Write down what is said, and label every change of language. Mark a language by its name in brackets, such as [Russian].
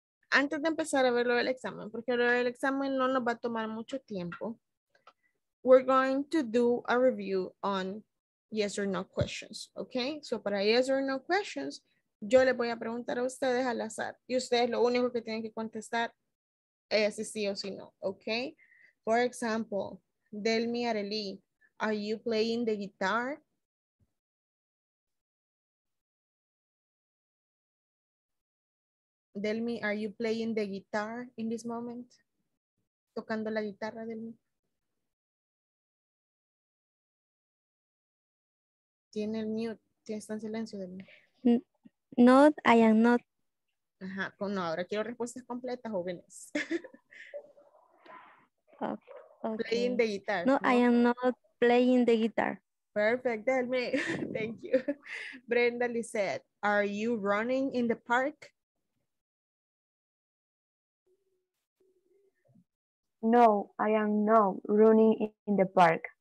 [Spanish] Antes de empezar a ver lo del examen, porque lo del examen no nos va a tomar mucho tiempo, [English] we're going to do a review on yes or no questions, okay? [Spanish] So para [English] yes or no questions, [Spanish] yo les voy a preguntar a ustedes al azar y ustedes lo único que tienen que contestar es sí o sí no, okay? [English] For example, Delmi Areli, are you playing the guitar? Delmi, are you playing the guitar in this moment? [Spanish] Tocando la guitarra, Delmi. Tiene el mute, está en silencio, Delmi. [English] No, I am not. [Spanish] Ajá, pues no, ahora quiero respuestas completas, jóvenes. [English] Okay. Playing the guitar. No, no, I am not playing the guitar. Perfect, Delmi. Thank you. Brenda Lisette, are you running in the park? No, I am not running in the park.